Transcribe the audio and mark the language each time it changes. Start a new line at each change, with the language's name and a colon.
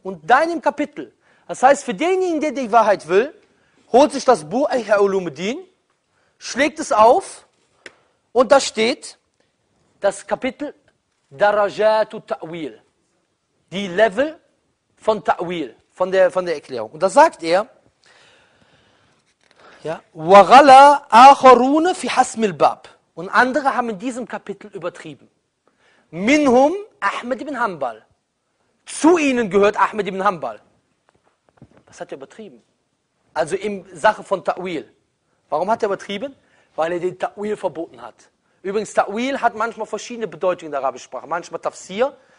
German: Und deinem Kapitel. Das heißt, für denjenigen, der die Wahrheit will, holt sich das Buch Ihya Ulumuddin, schlägt es auf und da steht das Kapitel Darajatu Ta'wil. Die Level von Ta'wil, von der Erklärung. Und da sagt er,
Arabic: وَغَلَى آخَرُونَ فِي حَسْمِ الْبَابِ.
German: Und andere haben in diesem Kapitel übertrieben.
Arabic: مِنْهُمْ أَحْمَدْ
German: ibn Hanbal. Zu ihnen gehört Ahmed ibn Hanbal. Was hat er übertrieben? Also in Sache von Ta'wil. Warum hat er übertrieben? Weil er den Ta'wil verboten hat. Übrigens, Ta'wil hat manchmal verschiedene Bedeutungen in der arabischen Sprache. Manchmal Tafsir.